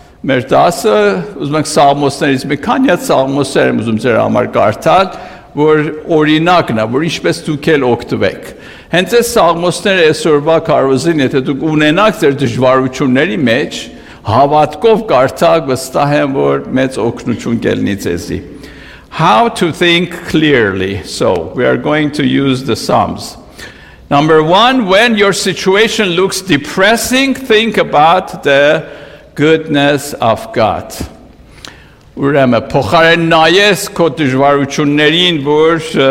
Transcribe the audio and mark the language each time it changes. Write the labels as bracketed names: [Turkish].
[Armenian] մեր դասը ուզում ենք սաղմոսներից մի քանի հատ սաղմոսներ եմ ուզում ձեր համար կարդալ, որ օրինակն է, որ ինչպես դուք էլ օգտվեք։ Հենց այս սաղմոսները այսօրվա կարոզին, եթե դուք ունենաք ձեր դժվարությունների մեջ, հավատքով կարդաք, վստահ եմ, որ մեծ օգնություն կելնի ձեզի։ [English] How to think clearly. So, we are going to use the Psalms. Number one, when your situation looks depressing, think about the goodness of God. [Armenian] Ուրեմն, փոխարեն նայես քո դժվարություններին, որ